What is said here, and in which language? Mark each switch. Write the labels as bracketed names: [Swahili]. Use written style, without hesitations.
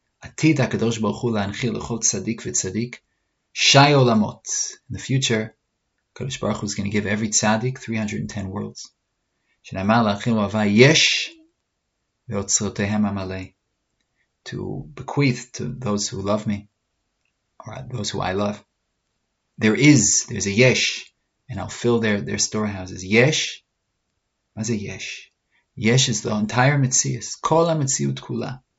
[Hebrew] עתיד הקדוש ברוך הוא להנחיל לכל צדיק וצדיק שי עולמות. [English] In the future, הקדוש ברוך הוא is going to give every צדיק 310 worlds. [Hebrew] שנאמר להנחיל אוהבה יש ועוצרותיהם המלא. [English] To bequeath to those who love me, or those who I love, there's a יש, and I'll fill their storehouses. [Hebrew] יש? מה זה יש? [English] יש is the entire מציאות, [Hebrew] כל המציאות כולה.